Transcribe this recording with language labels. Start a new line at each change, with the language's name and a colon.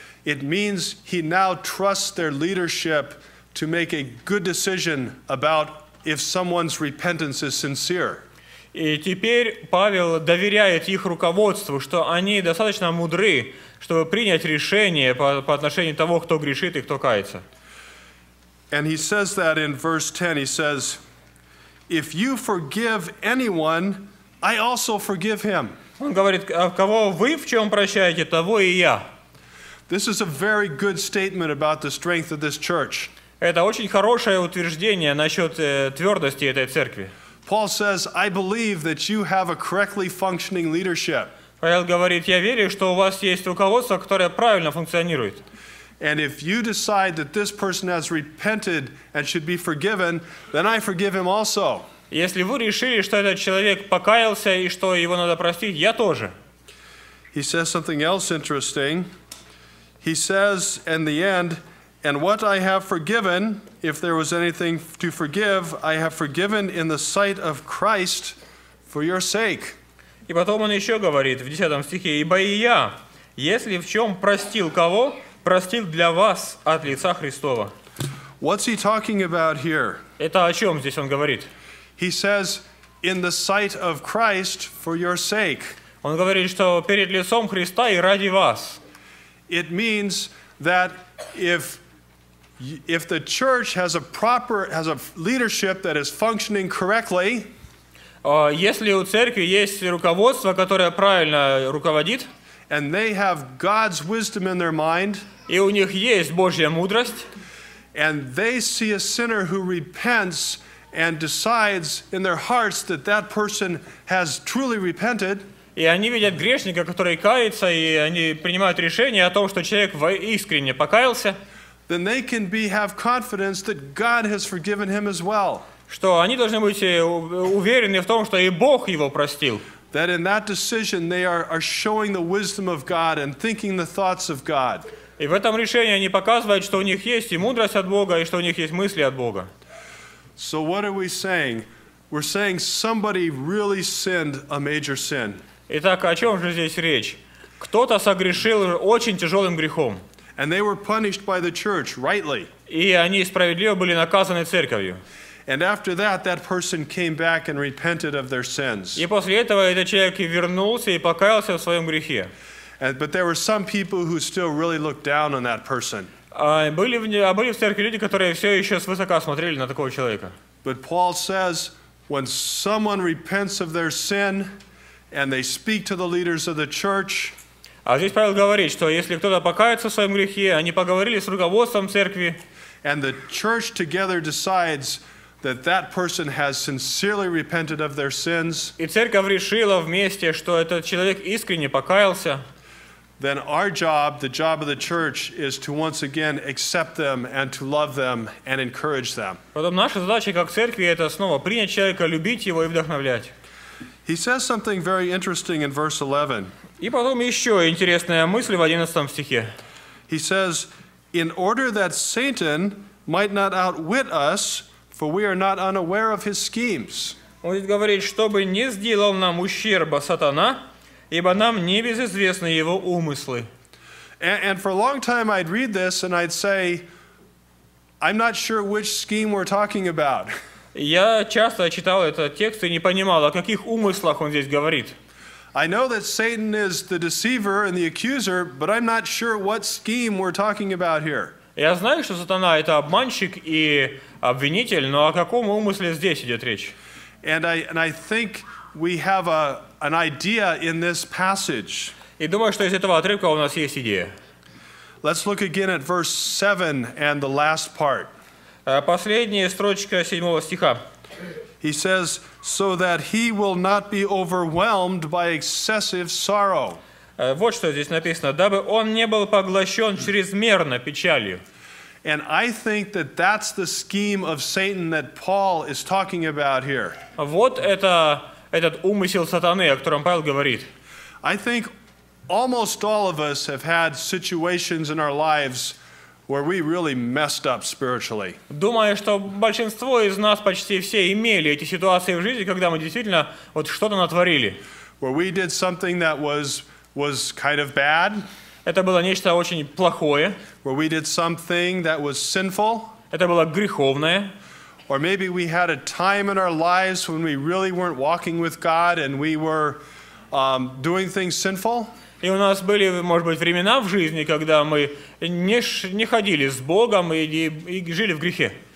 English: It means he now trusts their leadership to make a good decision about if someone's repentance is sincere.
Russian: И теперь Павел доверяет их руководству, что они достаточно мудры, чтобы принять решение по отношению того, кто грешит и кто кается.
English: And he says that in verse 10, he says, if you forgive anyone, I also forgive him.
Russian: Он говорит, а кого вы в чем прощаете, того и я.
English: This is a very good statement about the strength of this church.
Russian: Это очень хорошее утверждение насчет твердости этой церкви.
English: Paul says, I believe that you have a correctly functioning leadership.
Russian: Павел говорит, я верю, что у вас есть руководство, которое правильно функционирует.
English: And if you decide that this person has repented and should be forgiven, then I forgive him also.
Russian: Если вы решили, что этот человек покаялся и что его надо простить, я тоже.
English: He says something else interesting. He says in the end, and what I have forgiven, if there was anything to forgive, I have forgiven in the sight of Christ for your sake.
Russian: И потом он еще говорит в 10 стихе, ибо и я, если в чем простил кого, простил для вас от лица Христова.
English: What's he talking about here?
Russian: Это о чем здесь он говорит?
English: He says, in the sight of Christ for your sake.
Russian: Он говорит, что перед лицом Христа и ради вас.
English: It means that if the church has a leadership that is functioning correctly,
Russian: если у церкви есть руководство, которое правильно руководит,
English: and they have God's wisdom in their mind,
Russian: и у них есть Божья мудрость,
English: and they see a sinner who repents and decides in their hearts that that person has truly repented.
Russian: И они видят грешника, который кается, и они принимают решение о том, что человек искренне покаялся.
English: Then they can have confidence that God has forgiven him as well.
Russian: Что они должны быть уверены в том, что и Бог его простил.
English: That in that decision they are showing the wisdom of God and thinking the thoughts of God.
Russian: И в этом решении они показывают, что у них есть и мудрость от Бога, и что у них есть мысли от Бога.
English: So what are we saying? We're saying somebody really sinned a major sin.
Russian: Итак, о чем же здесь речь? Кто-то согрешил очень тяжелым грехом.
English: And they were punished by the church, rightly.
Russian: И они справедливо были наказаны церковью.
English: And after that, that person came back and repented of their sins.
Russian: И после этого этот человек вернулся и покаялся в своем грехе.
English: But there were some people who still really looked down on that person.
Russian: Были в церкви люди, которые все еще свысока смотрели на такого человека.
English: But Paul says, when someone repents of their sin, and they speak to the leaders of the church.
Russian: А здесь Павел говорит, что если кто-то покаяется в своем грехе, они поговорили с руководством церкви.
English: And the church together decides that that person has sincerely repented of their sins.
Russian: И церковь решила вместе, что этот человек искренне покаялся.
English: Then our job, the job of the church, is to once again accept them and to love them and encourage them.
Russian: Потом наша задача как церкви это снова принять человека, любить его и вдохновлять.
English: He says something very interesting in verse 11.
Russian: И потом еще интересная мысль в 11 стихе.
English: He says, in order that Satan might not outwit us, for we are not unaware of his schemes.
Russian: Он говорит, чтобы не сделал нам ущерба сатана, ибо нам не безызвестны его умыслы.
English: And for a long time I'd read this and I'd say, I'm not sure which scheme we're talking about.
Russian: Я часто читал этот текст и не понимал, о каких умыслах он здесь говорит.
English: I know that Satan is the deceiver and the accuser, but I'm not sure what scheme we're talking about here.
Russian: Я знаю, что сатана это обманщик и обвинитель, но о каком умысле здесь идет речь?
English: And I think we have an idea in this passage.
Russian: И думаю, что из этого отрывка у нас есть идея.
English: Let's look again at verse 7 and the last part.
Russian: Последняя строчка 7 стиха.
English: He says, so that he will not be overwhelmed by excessive sorrow.
Russian: Вот что здесь написано, дабы он не был поглощен чрезмерно печалью.
English: And I think that that's the scheme of Satan that Paul is talking about here.
Russian: Вот это этот умысел сатаны, о котором Павел говорит.
English: I think almost all of us have had situations in our lives where we really messed up spiritually.
Russian: Думаю, что большинство из нас, почти все, имели эти ситуации в жизни, когда мы действительно вот что-то натворили.
English: Where we did something that was kind of bad.
Russian: Это было нечто очень плохое.
English: Where we did something that was sinful.
Russian: Это было греховное.
English: Or maybe we had a time in our lives when we really weren't walking with God and we were doing things sinful.
Russian: И у нас были, может быть, времена в жизни, когда мы не ходили с Богом и жили в грехе.